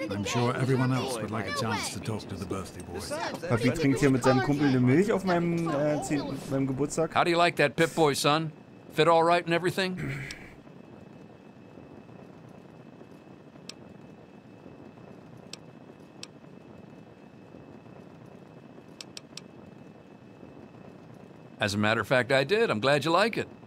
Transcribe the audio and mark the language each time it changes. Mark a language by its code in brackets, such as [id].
[en] I'm sure everyone else would like a chance to talk to the birthday boy. [de] Papi trinkt hier mit seinem Kumpel eine Milch auf meinem Geburtstag. [en] How do you like that pit boy, son? Fit all right and everything? As a matter of fact, I did. I'm glad you like it.